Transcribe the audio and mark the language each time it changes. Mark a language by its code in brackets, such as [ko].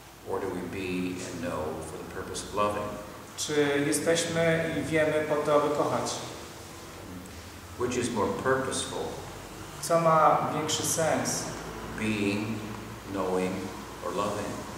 [en] Or do we be and know for the purpose of loving? [pl] Czy jesteśmy i wiemy po to, aby kochać? [en] Which is more purposeful? [pl] Co ma większy sens? [en] Being, knowing, or loving?